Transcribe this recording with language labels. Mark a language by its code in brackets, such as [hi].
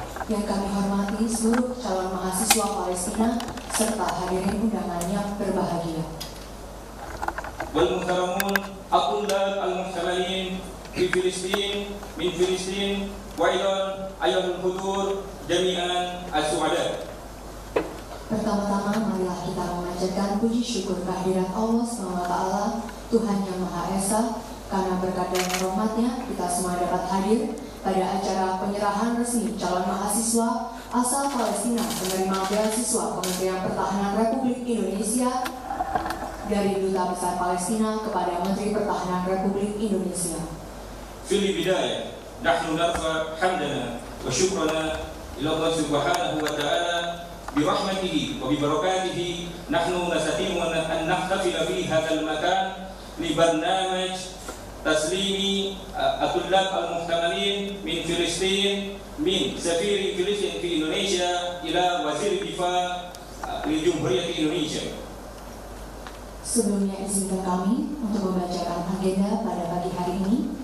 [id] Yang kami hormati seluruh calon mahasiswa Palestina serta hadirin undangan yang berbahagia. [ar] والمحترمون أقول لك المحترمين في فلسطين من فلسطين وأيضا أيها الحضور جميعا السعداء. [id] Pertama-tama marilah kita memanjatkan puji syukur kehadiran Allah SWT, Tuhan Yang Maha Esa, karena berkat dan rahmat-Nya kita semua dapat hadir pada acara penyerahan resmi calon mahasiswa asal Palestina penerima beasiswa Kementerian Pertahanan Republik Indonesia dari Duta Besar Palestina kepada Menteri Pertahanan Republik Indonesia. [ar] Fili bidaya, nahnu narfa hamdana wa syukrana ila Allah Subhanahu wa Ta'ala برحمته وببركاته نحن نستطيع أن نحتفل في هذا المكان لبرنامج تسليم الطلاب المحتملين من فلسطين من سفير فلسطين في إندونيسيا إلى وزير الدفاع لجمهورية إندونيسيا. [id] Sebelumnya izinkan kami untuk membacakan agenda pada pagi hari ini.